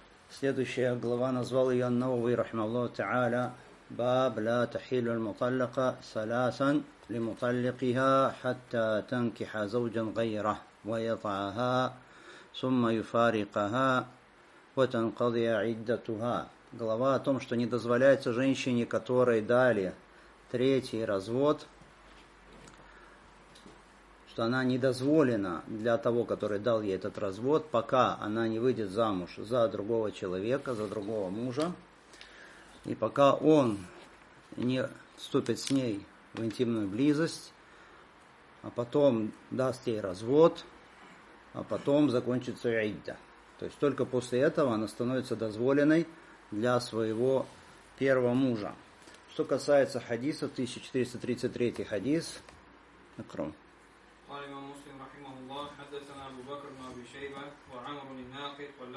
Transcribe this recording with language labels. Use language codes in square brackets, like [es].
[ru] Следующая глава назвал ее [ar] النووي رحمه الله تعالى باب لا تحل المطلقة ثلاثا لمطلقها حتى تنكح زوجا غيره ويطعها ثم يفارقها وتنقضي عدتها. [ru] Глава о том, что не дозволяется женщине, которой дали третий развод, что она не дозволена для того, который дал ей этот развод, пока она не выйдет замуж за другого человека, за другого мужа, и пока он не вступит с ней в интимную близость, а потом даст ей развод, а потом закончится идда. То есть только после этого она становится дозволенной для своего первого мужа. Что касается хадиса, 1433 хадис. Акрам. [ar] قال إمام مسلم رحمه الله حدثنا أبو بكر بن أبي شيبة وعمر الناقد